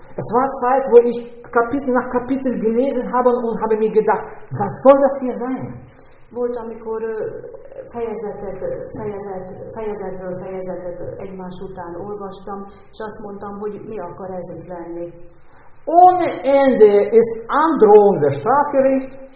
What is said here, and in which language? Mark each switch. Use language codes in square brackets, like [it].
[de] Es war Zeit, wo ich Kapitel nach Kapitel gelesen habe und habe mir gedacht, was soll das hier sein? [hu] Volt, amikor fejezetről fejezetet egymás után olvastam, és azt mondtam, hogy mi akar ez itt lenni. [de] Ohne Ende ist Androhung der Strafgericht.